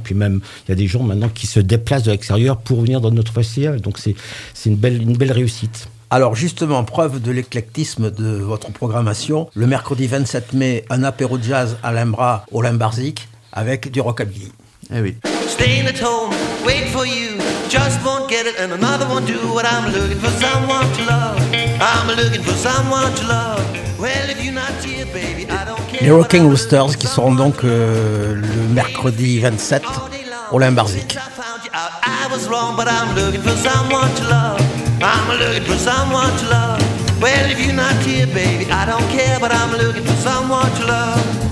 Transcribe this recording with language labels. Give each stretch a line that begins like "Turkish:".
French: Et puis même, il y a des gens maintenant qui se déplacent de l'extérieur pour venir dans notre festival. Donc c'est une belle réussite. Alors justement, preuve de l'éclectisme de votre programmation, le mercredi 27 mai, un apéro jazz à l'Imbra, au Limbarzik, avec du rockabilly. Eh oui.
English: Staying at home, waiting for you, just won't get it and another won't do what I'm looking for someone to love. I'm looking for someone to love. Well, if you're not here, baby, I don't care.
French: Les Rocking Roosters qui seront donc le mercredi 27 au Limbarzik.
English: Wrong, but I'm looking for someone to love. I'm looking for someone to love. Well, if you're not here, baby, I don't care, but I'm looking for someone to love.